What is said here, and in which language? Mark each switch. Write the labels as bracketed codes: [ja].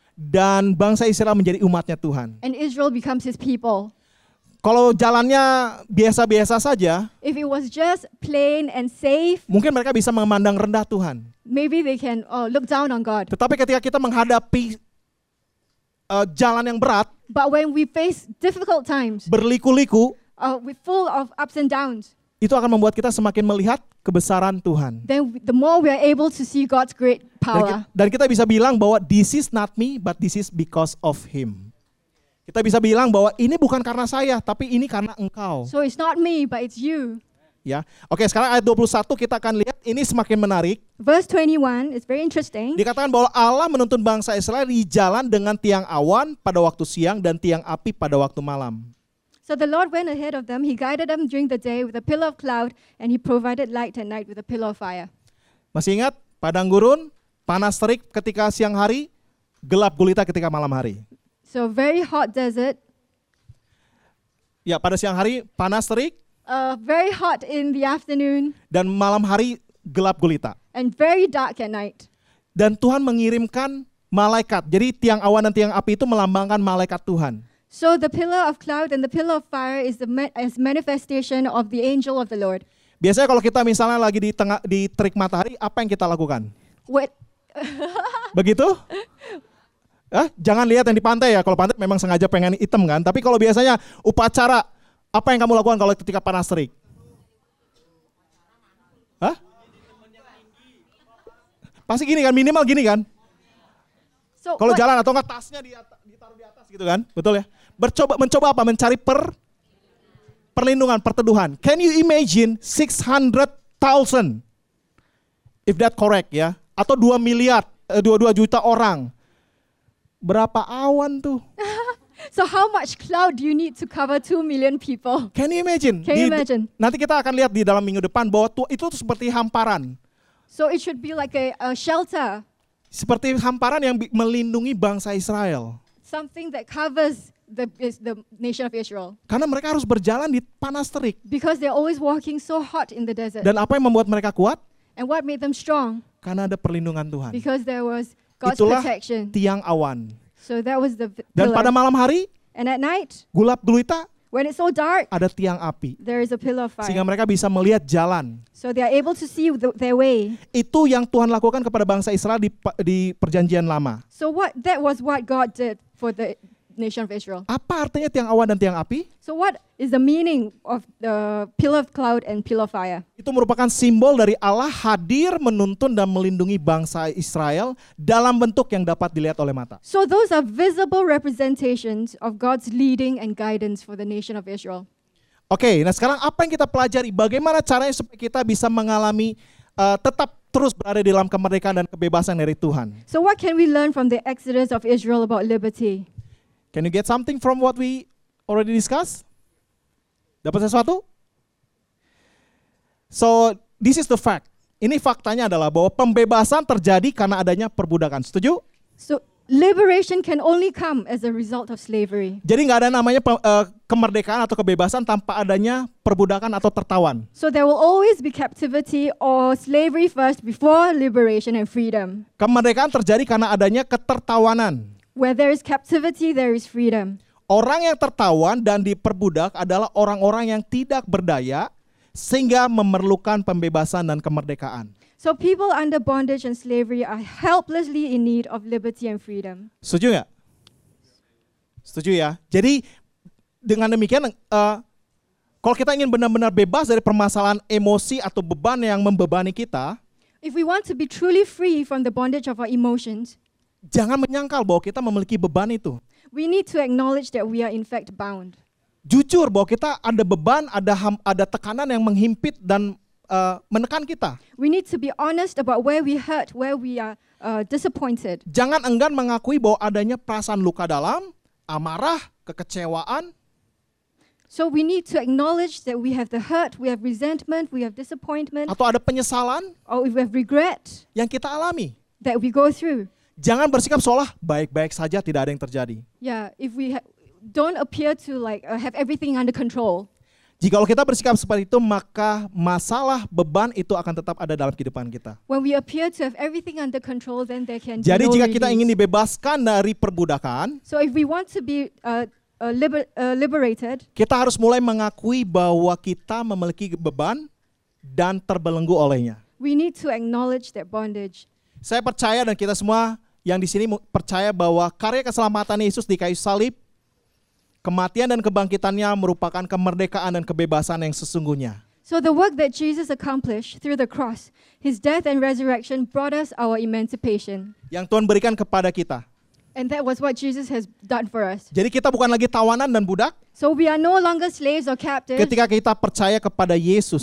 [id] Dan bangsa Israel menjadi umatnya Tuhan. [en] And Israel becomes His people. [id] Kalau jalannya biasa-biasa saja, [en] if it was just plain and safe, [id] mungkin mereka bisa memandang rendah Tuhan. [en] Maybe they can look down on God. [id] Tetapi ketika kita menghadapi jalan yang berat, [en] but when we face difficult times, [id] berliku-liku, [en] we're full of ups and downs, [id] itu akan membuat kita semakin melihat kebesaran Tuhan. [en] Then the more we are able to see God's great power. [id] Dan kita bisa bilang bahwa [en] this is not me, but this is because of Him. [id] Kita bisa bilang bahwa ini bukan karena saya, tapi ini karena Engkau. [en] So it's not me, but it's you. [id] Ya. Oke, sekarang ayat 21 kita akan lihat ini semakin menarik. [en] Verse 21 is very interesting. [id] Dikatakan bahwa Allah menuntun bangsa Israel di jalan dengan tiang awan pada waktu siang dan tiang api pada waktu malam. [en] So the Lord went ahead of them. He guided them during the day with a pillar of cloud, and He provided light at night with a pillar of fire. [id] Masih ingat padang gurun, panas terik ketika siang hari, gelap gulita ketika malam hari. [en] So very hot desert. [id] Ya, pada siang hari panas terik. [en] Very hot in the afternoon. [id] Dan malam hari gelap gulita. [en] And very dark at night. [id] Dan Tuhan mengirimkan malaikat. Jadi tiang awan dan tiang api itu melambangkan malaikat Tuhan. [en] So the pillar of cloud and the pillar of fire is the manifestation of the angel of the Lord. [id] Biasanya kalau kita misalnya lagi di tengah di terik matahari, apa yang kita lakukan? [en] What? [id] Begitu? Jangan lihat yang di pantai ya. Kalau pantai memang sengaja pengen hitam kan. Tapi kalau biasanya upacara, apa yang kamu lakukan kalau ketika panas terik? Pasti gini kan, minimal gini kan? So, kalau jalan atau enggak tasnya di atas, ditaruh di atas gitu kan? Betul ya? Mencoba apa? Mencari perlindungan, perteduhan. [en] Can you imagine 600,000? If that correct ya. [id] Atau 2 miliar, 22 juta orang. Berapa awan tuh? [en] So how much cloud do you need to cover 2 million people? Can you imagine? Can you imagine? [id] Nanti kita akan lihat di dalam minggu depan bahwa itu seperti hamparan. [en] So it should be like a shelter. [id] Seperti hamparan yang melindungi bangsa Israel. [en] Something that covers the nation of Israel. [id] Karena mereka harus berjalan di panas terik. [en] Because they're always walking so hot in the desert. [id] Dan apa yang membuat mereka kuat? [en] And what made them strong? [id] Karena ada perlindungan Tuhan. [en] Because there was God's [id] Itulah [en] protection. [id] Itulah tiang awan. [en] So that was the pillar. [id] Dan pada malam hari, [en] and at night, [id] gulap gulita, [en] when it's so dark, [id] ada tiang api. [en] There is a pillar of fire. [id] Sehingga mereka bisa melihat jalan. [en] So they are able to see their way. [id] Itu yang Tuhan lakukan kepada bangsa Israel di perjanjian lama. [en] So that was what God did for the nation of Israel. [id] Apa artinya tiang awan dan tiang api? [en] So what is the meaning of the pillar of cloud and pillar of fire? [id] Itu merupakan simbol dari Allah hadir menuntun dan melindungi bangsa Israel dalam bentuk yang dapat dilihat oleh mata. [en] So those are visible representations of God's leading and guidance for the nation of Israel. [id] Oke, nah sekarang apa yang kita pelajari? Bagaimana caranya supaya kita bisa mengalami tetap terus berada dalam kemerdekaan dan kebebasan dari Tuhan? [en] So what can we learn from the Exodus of Israel about liberty? Can you get something from what we already discussed? [id] Dapat sesuatu? [en] So, this is the fact. [id] Ini faktanya adalah bahwa pembebasan terjadi karena adanya perbudakan. Setuju? [en] So, liberation can only come as a result of slavery. [id] Jadi enggak ada namanya kemerdekaan atau kebebasan tanpa adanya perbudakan atau tertawan. [en] So there will always be captivity or slavery first before liberation and freedom. [id] Kemerdekaan terjadi karena adanya ketertawanan. [en] Where there is captivity, there is freedom. [id] Orang yang tertawan dan diperbudak adalah orang-orang yang tidak berdaya sehingga memerlukan pembebasan dan kemerdekaan. [en] So people under bondage and slavery are helplessly in need of liberty and freedom. [id] Setuju nggak? Setuju ya. Jadi dengan demikian, kalau kita ingin benar-benar bebas dari permasalahan emosi atau beban yang membebani kita, [en] if we want to be truly free from the bondage of our emotions, [id] jangan menyangkal bahwa kita memiliki beban itu. [en] We need to acknowledge that we are in fact bound. [id] Jujur bahwa kita ada beban, ada tekanan yang menghimpit dan menekan kita. [en] We need to be honest about where we hurt, where we are disappointed. [id] Jangan enggan mengakui bahwa adanya perasaan luka dalam, amarah, kekecewaan. [en] So we need to acknowledge that we have the hurt, we have resentment, we have disappointment. [id] Atau ada penyesalan. [en] Or we have regret. [id] Yang kita alami. [en] That we go through. [id] Jangan bersikap seolah baik-baik saja, tidak ada yang terjadi. [en] Yeah, if we don't appear to like have everything under control. [id] Jika kita bersikap seperti itu, maka masalah beban itu akan tetap ada dalam kehidupan kita. [en] When we appear to have everything under control, then there can be. [id] Jadi [en] no [id] jika [en] release. [id] Kita ingin dibebaskan dari perbudakan, [en] so if we want to be liberated, [id] kita harus mulai mengakui bahwa kita memiliki beban dan terbelenggu olehnya. [en] We need to acknowledge that bondage. [id] Saya percaya dan kita semua yang di sini percaya bahwa karya keselamatan Yesus di kayu salib, kematian dan kebangkitannya merupakan kemerdekaan dan kebebasan yang sesungguhnya. [en] So the work that Jesus accomplished through the cross, his death and resurrection brought us our emancipation. [id] Yang Tuhan berikan kepada kita. [en] And that was what Jesus has done for us. [id] Jadi kita bukan lagi tawanan dan budak. [en] So we are no longer slaves or captives. [id] Ketika kita percaya kepada Yesus.